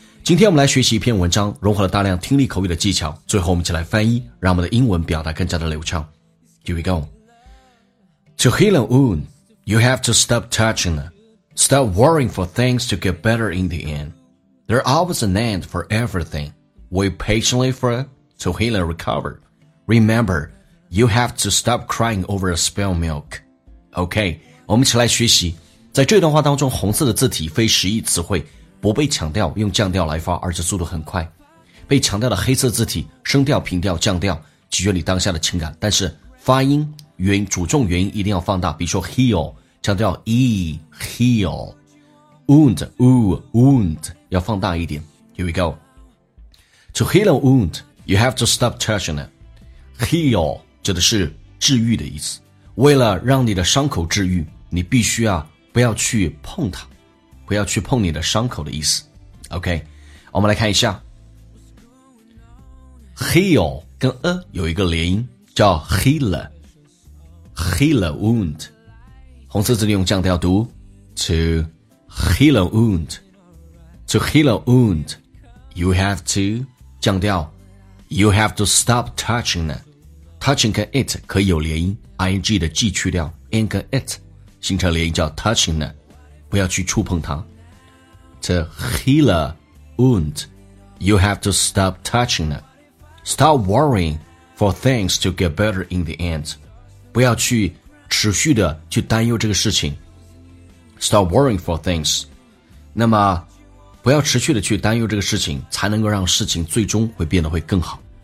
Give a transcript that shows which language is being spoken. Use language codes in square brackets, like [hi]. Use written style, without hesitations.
[zh] 今天我们来学习一篇文章，融合了大量听力口语的技巧，最后我们一起来翻译，让我们的英文表达更加的流畅。 [en] Here we go. To heal a wound, you have to stop touching it. Stop worrying for things to get better in the end. There's always an end for everything. Wait patiently for it to heal and recover. Remember, you have to stop crying over a spilled milk. [zh] OK, 我们一起来学习。在这段话当中，红色的字体非实义词汇不被强调，用降调来发，而且速度很快。被强调的黑色字体升调、平调、降调，取决你当下的情感。但是发音原主重元音一定要放大，比如说 heal 强调 e heal， wound wound 要放大一点。 [en] Here we go. To heal a wound, you have to stop touching it. [zh] Heal 指的是治愈的意思。为了让你的伤口治愈，你必须啊不要去碰它，不要去碰你的伤口的意思。 OK， 我们来看一下 ，heal 跟有一个连音，叫 [en] heal a wound。 [zh] 红色字里用降调读 [en] ，to heal a wound，to heal a wound，you have to 降调 ，you have to stop touching it。 [zh] Touching 跟 it 可以有连音 ，ing 的 g 去掉 ，n 跟 it 形成连音叫 touching 呢，不要去触碰它。 [en] To heal a wound, you have to stop touching it. Stop worrying for things to get better in the end. [zh] 不要去持续的去担忧这个事情。 [en] Stop worrying for things. [zh] 那么，不要持续的去担忧这个事情，才能够让事情最终会变得会更好。